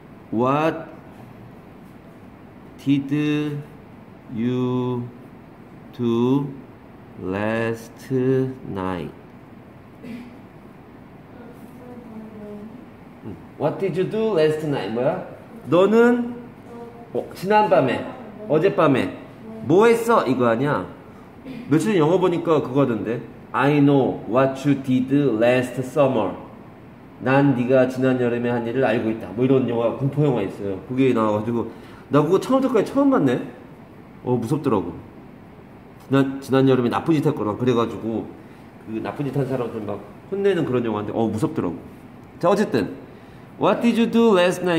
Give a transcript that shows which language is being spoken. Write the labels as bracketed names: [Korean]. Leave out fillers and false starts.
[English] What did you do last night? What did you do last night? [Korean] 뭐야? 너는 지난밤에, 어젯밤에 뭐 했어? 이거 아니야? 며칠 전 영어 보니까 그거던데. [English] I know what you did last summer. [Korean] 난 네가 지난 여름에 한 일을 알고 있다. 뭐 이런 영화, 공포 영화 있어요. 그게 나와가지고 나 그거 처음부터까지 처음 봤네. 무섭더라고. 지난 여름에 나쁜 짓 했거나 그래가지고 그 나쁜 짓한 사람들 막 혼내는 그런 영화인데 무섭더라고. 자, 어쨌든 [English] What did you do last night?